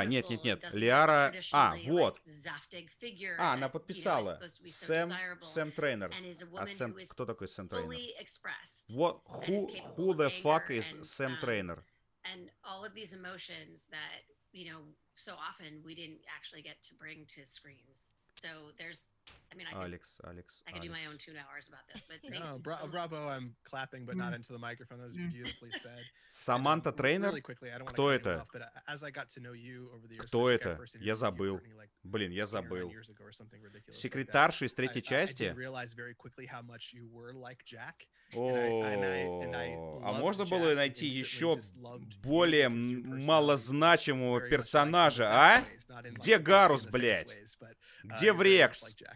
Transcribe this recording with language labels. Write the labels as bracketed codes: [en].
[ru] Лиара, вот. А, она подписала. Сэм Трейнер. А Сэм, кто такой Сэм Трейнер? [en] What, who the fuck is Сэм Трейнер? And all of these emotions that, you know, so often we didn't actually get to bring to screens. So there's, I mean, I could do my own 2 hours about this. But no, bravo, I'm clapping, but not into the microphone. That was beautifully said. Samantha Trainer? Really quickly, I don't want to cut you off, but as I got to know you over the years. [ru] Кто это? Я забыл. Блин, я забыл. Секретарша из третьей части? [en] I realized very quickly how much you were like Jack. [ru] А можно было найти еще более малозначимого персонажа, а? Где Гарус, блядь? Где Врекс?